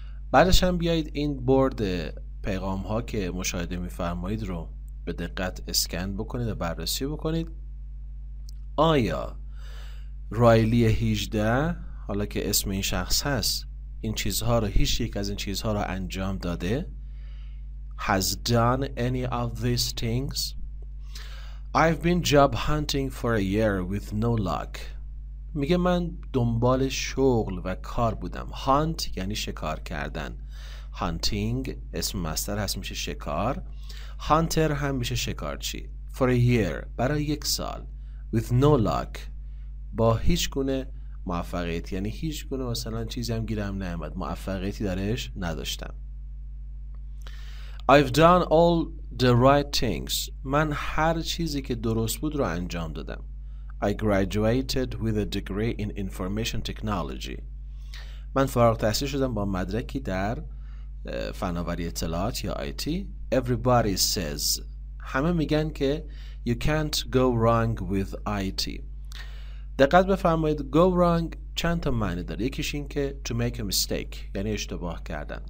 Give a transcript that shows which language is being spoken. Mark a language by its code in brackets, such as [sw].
[fa] بعدش هم بیایید این بورد پیغام ها که مشاهده میفرمایید رو به دقت اسکن بکنید و بررسی بکنید. آیا رایلی 18، حالا که اسم این شخص هست، این چیزها رو، هیچ یک از این چیزها رو انجام داده؟ [en] Has done any of these things? I've been job hunting for a year with no luck. [fa] میگه من دنبال شغل و کار بودم. Hunt یعنی شکار کردن. Hunting اسم مصدر هست، میشه شکار. Hunter هم میشه شکارچی. [en] For a year، [fa] برای یک سال. [en] With no luck، [fa] با هیچ گونه موفقیت، یعنی هیچ گونه مثلا چیزی هم گیرم نیامد، موفقیتی درش نداشتم. [en] I've done all the right things. [fa] من هر چیزی که درست بود رو انجام دادم. [en] I graduated with a degree in information technology. [fa] من فارغ التحصیل شدم با مدرکی در فناوری اطلاعات یا IT. [en] Everybody says. [fa] همه میگن که [en] you can't go wrong with IT. [fa] دقت بفرمایید go wrong چند تا معنی داره. یکیش این که [en] to make a mistake، [fa] یعنی اشتباه کردن.